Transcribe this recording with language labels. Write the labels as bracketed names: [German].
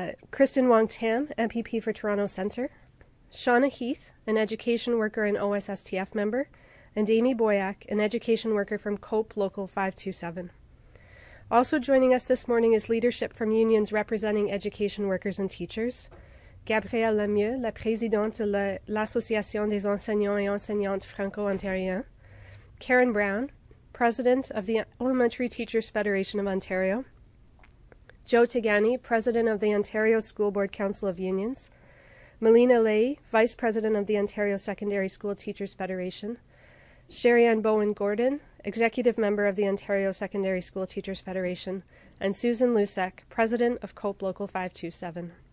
[English] Kristen Wong Tam, MPP for Toronto Centre. Shauna Heath, an education worker and OSSTF member. And Amy Boyack, an education worker from COPE Local 527. Also joining us this morning is leadership from unions representing education workers and teachers. [French] Gabrielle Lemieux, la présidente de l'Association des enseignants et enseignantes franco-ontariens. [English] Karen Brown, president of the Elementary Teachers Federation of Ontario. Joe Tagani, president of the Ontario School Board Council of Unions. Melina Lay, vice president of the Ontario Secondary School Teachers Federation. Sherri-Ann Bowen-Gordon, executive member of the Ontario Secondary School Teachers Federation, and Susan Lusek, president of COPE Local 527.